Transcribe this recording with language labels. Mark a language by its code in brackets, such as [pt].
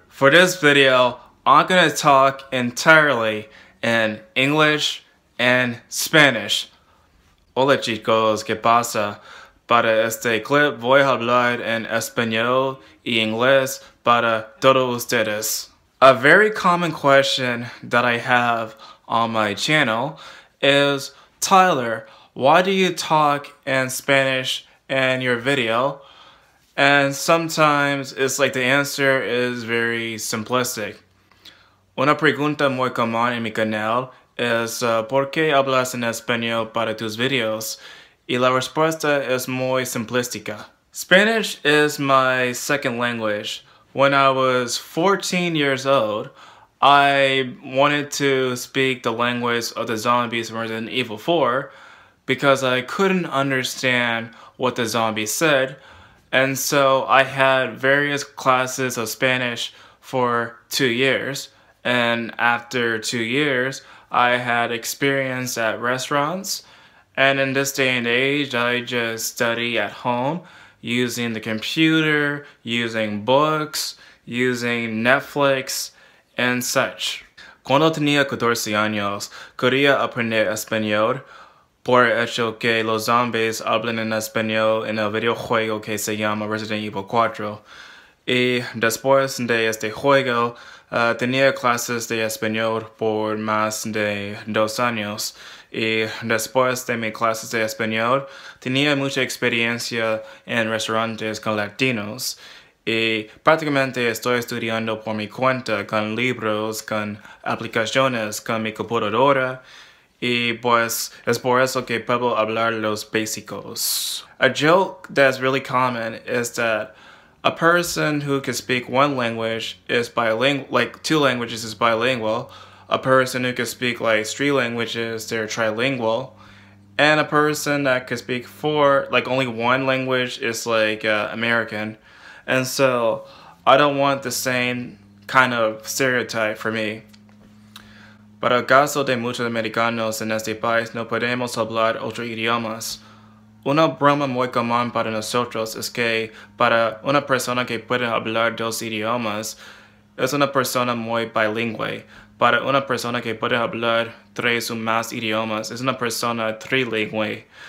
[en] For this video, I'm gonna talk entirely in English and Spanish. [es] Hola chicos, ¿qué pasa? Para este clip, voy a hablar en español y inglés para todos ustedes. [en] A very common question that I have on my channel is, Tyler, why do you talk in Spanish in your video? And sometimes it's like the answer is very simplistic. [es] Una pregunta muy común en mi canal es, ¿por qué hablas en español para tus videos? Y la respuesta es muy simplística. [en] Spanish is my second language. When I was 14 years old, I wanted to speak the language of the zombies from Resident Evil 4 because I couldn't understand what the zombies said. And so I had various classes of Spanish for 2 years. And after 2 years, I had experience at restaurants. And in this day and age, I just study at home using the computer, using books, using Netflix, and such. [es] Cuando tenía 14 años, quería aprender español por el hecho que los zombies hablan en español en el videojuego que se llama Resident Evil 4. Y después de este juego, tenía clases de español por más de 2 años. Y después de mis clases de español, tenía mucha experiencia en restaurantes con latinos. Y prácticamente estoy estudiando por mi cuenta, con libros, con aplicaciones, con mi computadora. Y pues, es por eso que puedo hablar los básicos. [en] A joke that's really common is that a person who can speak one language is bilingual, like two languages is bilingual. A person who can speak like 3 languages, they're trilingual. And a person that can speak 4, like only one language, is like American. And so, I don't want the same kind of stereotype for me. [es] Para el caso de muchos americanos en este país, no podemos hablar otros idiomas. Una broma muy común para nosotros es que para una persona que puede hablar 2 idiomas, es una persona muy bilingüe. Para una persona que puede hablar 3 o más idiomas, es una persona trilingüe.